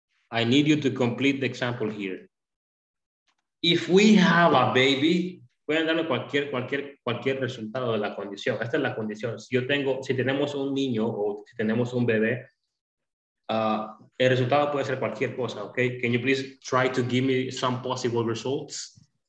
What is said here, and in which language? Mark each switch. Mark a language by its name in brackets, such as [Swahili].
[English] I need you to complete the example here. If we have a baby, [Spanish] pueden darle cualquier resultado de la condición. Esta es la condición. Si tenemos un niño o si tenemos un bebé, el resultado puede ser cualquier cosa, okay? [English] Can you please try to give me some possible results?